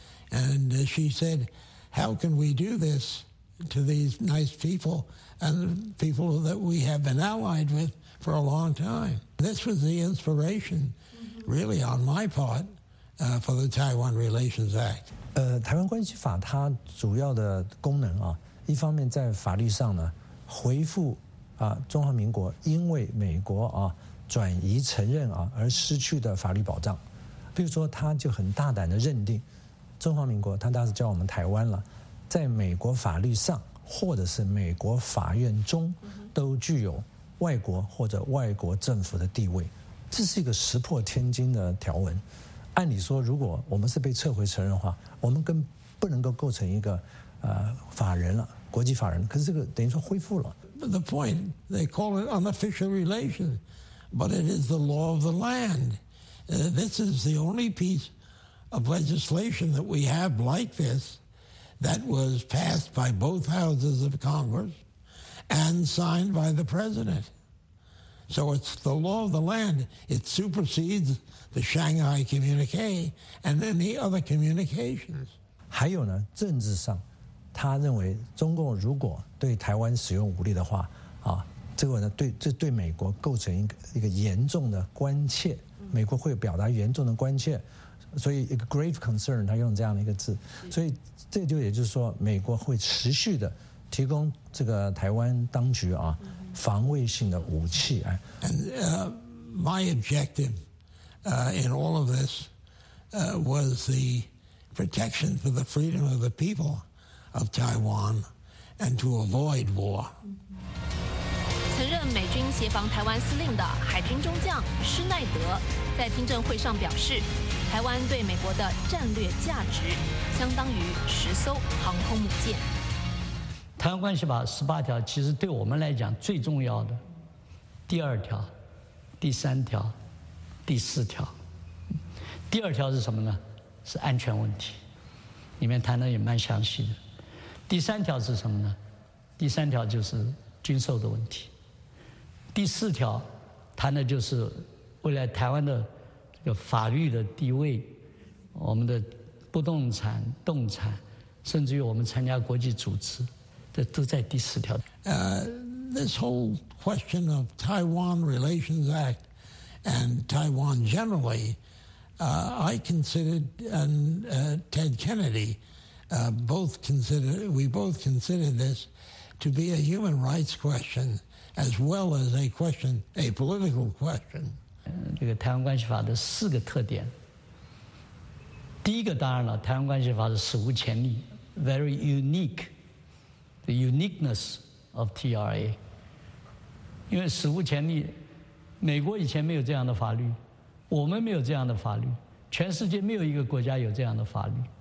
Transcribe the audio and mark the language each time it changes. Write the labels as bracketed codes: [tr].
[en] And she said, how can we do this to these nice people and people that we have been allied with for a long time? This was the inspiration, really, on my part, for the Taiwan Relations Act. [zh] 台湾关系法它主要的功能啊，一方面在法律上呢，回复中华民国因为美国啊转移承认啊而失去的法律保障，比如说他就很大胆的认定中华民国，他当时叫我们台湾了，在美国法律上或者是美国法院中都具有外国或者外国政府的地位，这是一个石破天惊的条文。按理说，如果我们是被撤回承认的话，我们更不能够构成一个法人了，国际法人。可是这个等于说恢复了。 [en] The point, they call it unofficial relations, but it is the law of the land. This is the only piece of legislation that we have like this that was passed by both houses of Congress and signed by the president. So it's the law of the land. It supersedes the Shanghai communique and any other communications. [zh] 还有呢，政治上。他认为中共如果对台湾使用武力的话啊，这个呢对这对美国构成一个严重的关切，美国会表达严重的关切，所以一个 [en] grave concern， [zh] 他用这样的一个字。所以这就也就是说美国会持续的提供这个台湾当局啊防卫性的武器。哎 [en] and my objective in all of this was the protection for the freedom of the peopleof Taiwan and to avoid war. [zh] 曾任美军协防台湾司令的海军中将施耐德在听证会上表示，台湾对美国的战略价值相当于10艘航空母舰。台湾关系法18条其实对我们来讲最重要的第二条、第三条、第四条。第二条是什么呢？是安全问题，里面谈的也蛮详细的。第三条是什么呢？第三条就是军售的问题。第四条谈的就是未来台湾的这个法律的地位，我们的不动产、动产，甚至于我们参加国际组织，这都在第四条。 [en] This whole question of Taiwan Relations Act and Taiwan generally, I considered and Ted Kennedy. We both consider this to be a human rights question as well as a question, a political question. [zh] 这个台湾关系法的四个特点，第一个当然了，台湾关系法是史无前例 ， [en] very unique, the uniqueness of TRA. [zh] 因为史无前例，美国以前没有这样的法律，我们没有这样的法律，全世界没有一个国家有这样的法律。